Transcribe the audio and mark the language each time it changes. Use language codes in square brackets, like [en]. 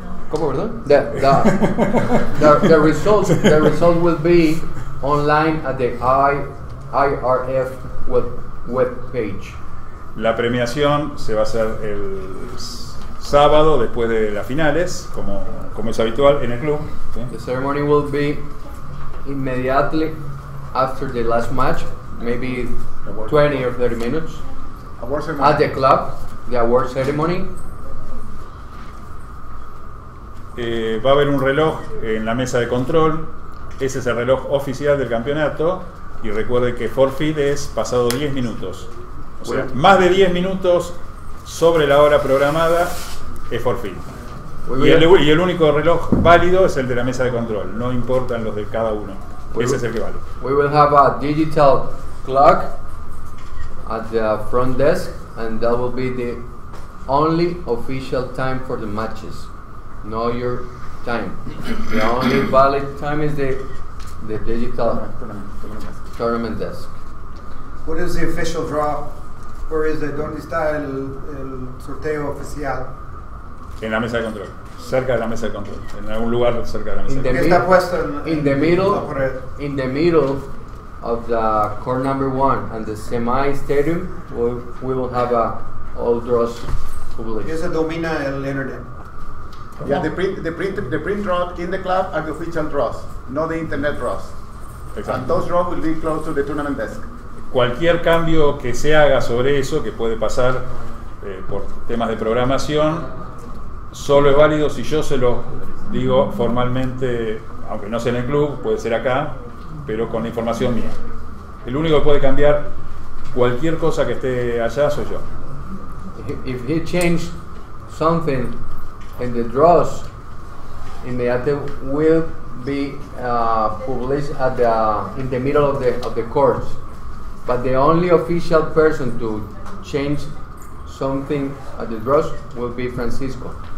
[es] ¿Cómo, perdón? [en] The results will be online at the IRF web page. [es] La premiación se va a hacer el sábado después de las finales, como es habitual en el club. [en] The ceremony will be immediately after the last match, maybe 20 or 30 minutes award ceremony. At the club, the award ceremony. [es] Va a haber un reloj en la mesa de control. Ese es el reloj oficial del campeonato. Y recuerden que forfeit es pasado 10 minutos. O sea, más de 10 minutos sobre la hora programada es forfeit. Y el único reloj válido es el de la mesa de control. No importan los de cada uno. Ese es el que vale. [en] We will have a digital clock at the front desk, and that will be the only official time for the matches. Know your time. The only valid time is the digital tournament desk. What is the official draw? Where is it? [es] Donde está el sorteo oficial? En la mesa de control. Cerca de la mesa de control. En algún lugar cerca de la mesa de control. Está puesto [en] in the middle of the court number one and the semi stadium, we will have all draws published. [es] Es el domina el internet. [en] Yeah, the print draw in the club are the official draws, not the internet draws. [es] Exacto. [en] And those draws will be close to the tournament desk. [es] Cualquier cambio que se haga sobre eso, que puede pasar por temas de programación, solo es válido si yo se lo digo formalmente, aunque no sea en el club, puede ser acá, pero con la información mía. El único que puede cambiar cualquier cosa que esté allá soy yo. [en] If he changed something in the draws, immediately will be published at the in the middle of the courts. But the only official person to change something at the draws will be Francisco.